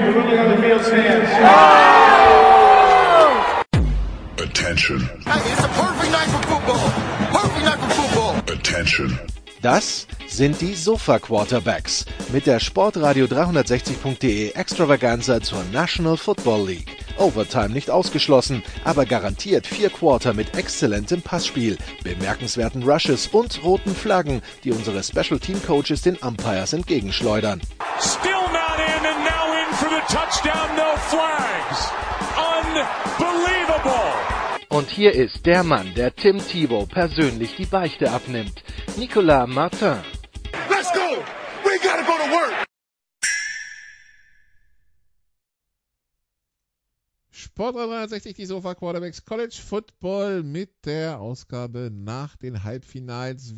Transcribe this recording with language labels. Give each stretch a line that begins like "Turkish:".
English: You're really on the field stands. Attention. Hey, it's a perfect night for football. Perfect night for football. Attention.
German: Das sind die Sofa-Quarterbacks mit der Sportradio 360.de Extravaganza zur National Football League. Overtime nicht ausgeschlossen, aber garantiert vier Quarter mit exzellentem Passspiel, bemerkenswerten Rushes und roten Flaggen, die unsere Special Team Coaches den Umpires entgegenschleudern.
English: Still not in and now in for the touchdown, no flags. Unbelievable.
German: Und hier ist der Mann, der Tim Tebow persönlich die Beichte abnimmt, Nicolas Martin.
English: Let's go! We gotta go to work!
German: Sportradio 360, die Sofa Quarterbacks College Football mit der Ausgabe nach den Halbfinals.